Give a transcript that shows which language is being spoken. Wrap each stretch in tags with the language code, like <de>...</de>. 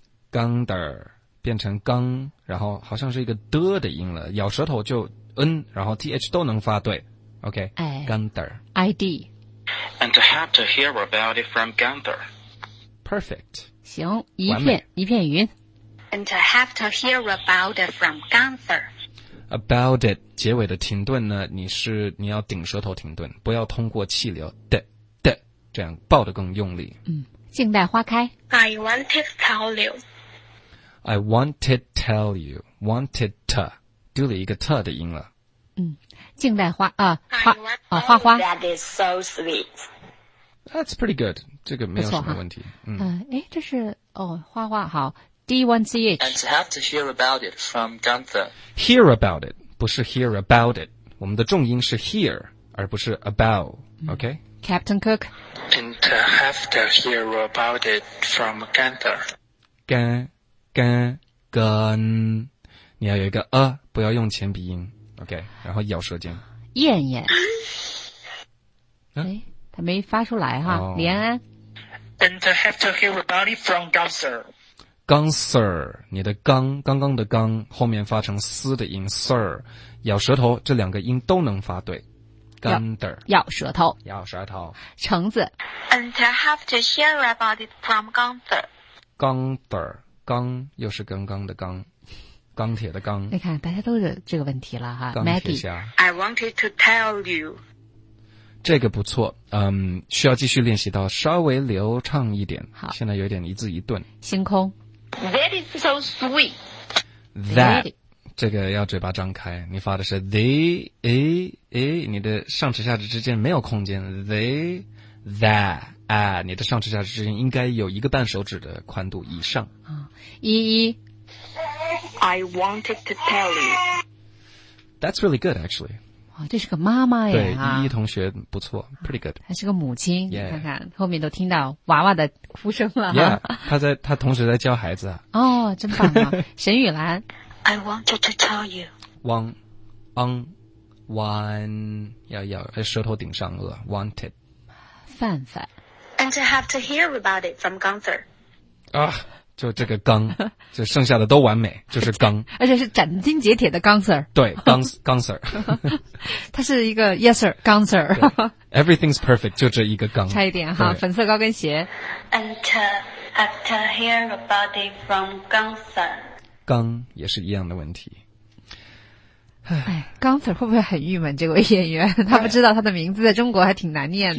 <zh>Gunther 变成刚，然后好像是一个的的音了，咬舌头就 n， 然后 th 都能发对。OK。 Gunther。 ID。</zh> <en>And to have to hear about it from Gunther。 Perfect。</en> <zh>行，一片云。</zh> <en>And to have to hear about it from Gunther。</en> <zh>About it 结尾的停顿呢，你要顶舌头停顿，不要通过气流的的，这样爆得更用力。静待花开。</zh> <en>I wanted to tell you. I wanted to tell you. Wanted to</en> <zh>丢了一个</zh> <en>to</en> <zh>的音了。静待花啊、花啊花花。</zh> <en>That is so sweet. That's pretty good.</en> <zh>这个没有什么问题。这是花花好。D1CH.</zh> <en>And to have to hear about it from Gunther. Hear about it,</en> <zh>不是</zh> <en>hear about it.</en> <zh>我们的重音是</zh> <en>hear,</en> <zh>而不是</zh> <en>about, okay? Captain Cook. And to have to hear about it from Gunther.</en> <zh>Gun. 你要有一个不要用前鼻音, okay? 然后咬舌尖。燕燕。他没发出来哈，连安。</zh> <en>And to have to hear about it from Gunther.</en> <zh>刚 sir， 你的刚，刚刚的刚，后面发成嘶的音 sir， 咬舌头，这两个音都能发对。</zh> <en>Gunther，</en> <zh>咬舌头。橙子。</zh> <en>And to have to hear about it from Gunther。</en> <zh>Gunther， 刚又是刚刚的刚，钢铁的钢。你看，大家都有这个问题了哈。钢铁侠。</zh> <en>I wanted to tell you。</en> <zh>这个不错，需要继续练习到稍微流畅一点。好，现在有点一字一顿。星空。</zh> <en>That is so sweet.</en> <zh>That 这个要嘴巴张开，你发的是 they， 你的上齿下齿之间没有空间。 They that 你的上齿下齿之间应该有一个半手指的宽度以上。一。</zh> <en>I wanted to tell you. That's really good, actually.</en> <zh>哇，这是个妈妈呀！对，依依同学不错 ，</zh> <en>pretty good。</en> <zh>还是个母亲，</zh> <en>yeah.</en> <zh>你看看后面都听到娃娃的哭声了。 Yeah, 他在，他同时在教孩子。哦，真棒啊！沈雨兰</zh> <en>，I wanted to tell you. Wanted.</en> <zh>范范。</zh> <en>And to have to hear about it from Gunther.</en> <zh>啊，就这个刚，就剩下的都完美，就是刚。而且是斩钉截铁的 Gunther。对 ，Gunther。他是一个</zh> <en>Yes sir, Gunther。 Everything's perfect,</en> <zh>就这一个刚。差一点哈，粉色高跟鞋。</zh> <en>And to have to hear about it from Gunther.</en> <zh>刚也是一样的问题。哎，刚 Sir 会不会很郁闷？这位演员，他不知道他的名字在中国还挺难念的。</zh>